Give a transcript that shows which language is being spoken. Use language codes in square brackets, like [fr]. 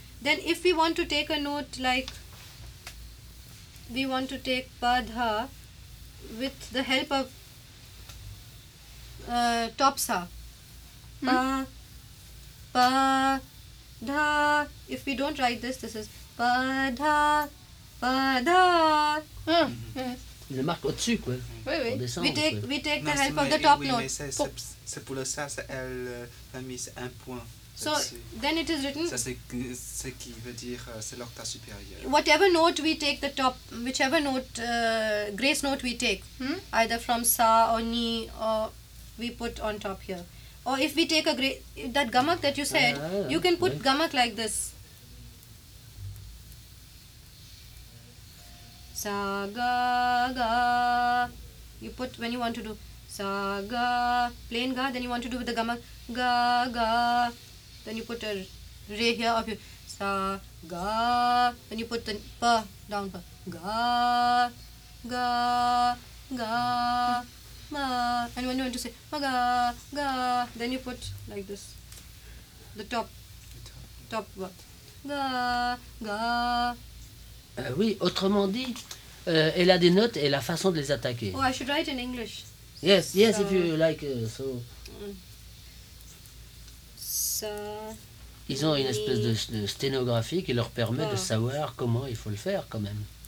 [en] Then if we want to take a note like we want to take pa dha with the help of top sa. Pa pa dha. If we don't write this, this is. Pada, pada. [fr] Il le marque au-dessus, quoi. Oui, oui. On descend, [en] we take the help of the top note. [fr] Mais c'est pour le ça, elle a mis un point. [en] So, then it is written. [fr] Ça, c'est qui veut dire, c'est l'octave supérieur. [en] Whatever note we take, the top, whichever note, grace note we take, either from sa or ni, or we put on top here. Or if we take a grace, that gamak that you said, you can put gamak like this. Sa ga ga, you put when you want to do sa ga, plain ga, then you want to do with the gamak ga ga, then you put a re here of your sa ga, then you put the pa down pa ga ga ga ma, and when you want to say ma ga ga, then you put like this the top ga ga ga. [fr] Oui, autrement dit. Elle a des notes et la façon de les attaquer. [en] Oh, I should write in English. Yes, yes, so, if you like, so. So. [fr] Ils ont une espèce de sténographie qui leur permet de savoir comment il faut le faire, quand même.